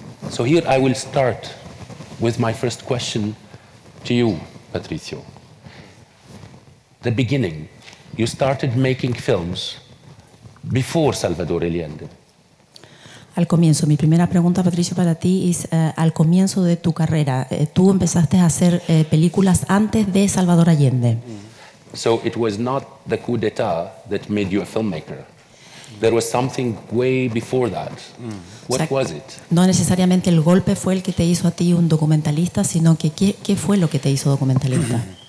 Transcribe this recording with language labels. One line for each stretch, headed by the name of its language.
English: So here I will start with my first question to you, Patricio. The beginning, you started making films before Salvador Allende.
Spanish: Al comienzo, mi primera pregunta, Patricio, para ti es al comienzo de tu carrera. Tú empezaste a hacer películas antes de Salvador Allende.
English: So it was not the coup d'etat that made you a filmmaker. There was something way before that. Mm. What was it?
Spanish: No necesariamente el golpe fue el que te hizo a ti un documentalista, sino que ¿qué fue lo que te hizo documentalista?